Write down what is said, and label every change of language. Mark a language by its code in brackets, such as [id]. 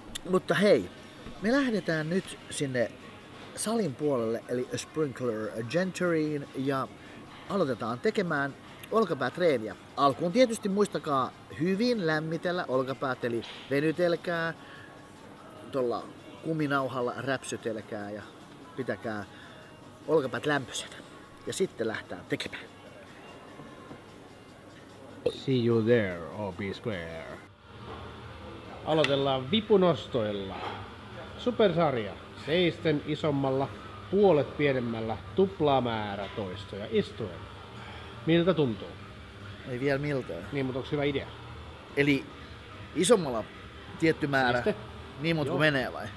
[fi] Mutta hei, me lähdetään nyt sinne salin puolelle, eli Sprinkler Gentryin, ja aloitetaan tekemään olkapäätreeniä. Alkuun tietysti muistakaa hyvin lämmitellä olkapäät, eli venytelkää, tuolla kuminauhalla räpsytelkää ja pitäkää olkapäät lämpöisenä. Ja sitten lähdetään tekemään. [en] See you there, or be square. [fi] Aloitellaan vipunostoilla. Supersarja. Seisten isommalla, puolet pienemmällä, tuplamäärä toistoja istuen. Miltä tuntuu? Ei vielä miltä. Niin, mutta onko hyvä idea? Eli isommalla tietty määrä, seiste? Niin mutta kun menee vai?